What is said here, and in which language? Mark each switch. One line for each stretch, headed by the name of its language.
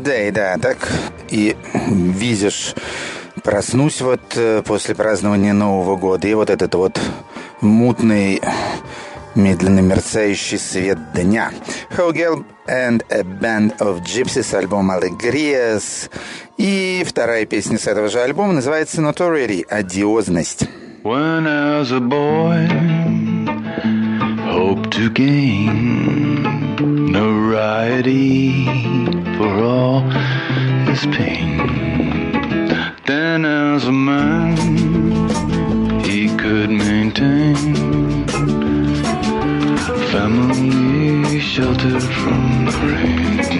Russian: Да, так и видишь, проснусь вот после празднования Нового года, и вот этот вот мутный, медленно мерцающий свет дня. Hogel and a Band of Gypsies, альбом «Allegrias». И вторая песня с этого же альбома называется «Notoriety» — «Одиозность».
English: When as a boy, hope to gain notoriety for all his pain. Then as a man, he could maintain family sheltered from the rain.